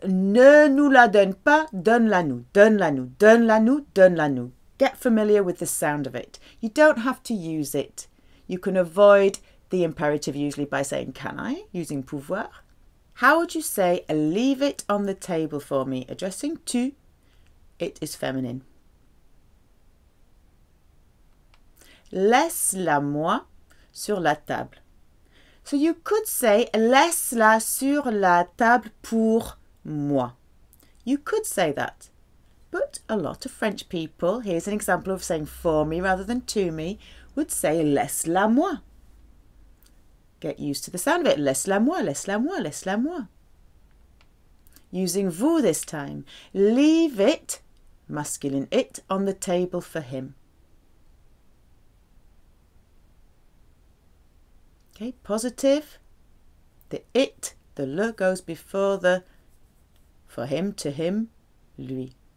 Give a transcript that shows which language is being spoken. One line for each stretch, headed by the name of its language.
French: Ne nous la donne pas, donne la nous, donne la nous, donne la nous, donne la nous.
English: Get familiar with the sound of it. You don't have to use it. You can avoid the imperative usually by saying, can I, using pouvoir. How would you say, leave it on the table for me, addressing to, it is feminine.
French: Laisse-la moi sur la table. So you could say, laisse-la sur la table pour moi.
English: You could say that. But a lot of French people, here's an example of saying for me rather than to me, would say
French: laisse-la moi.
English: Get used to the sound of it.
French: Laisse-la moi, laisse-la moi, laisse-la moi.
English: Using vous this time. Leave it, masculine it, on the table for him. Okay, positive, the it, the le goes before the, for him, to him, lui.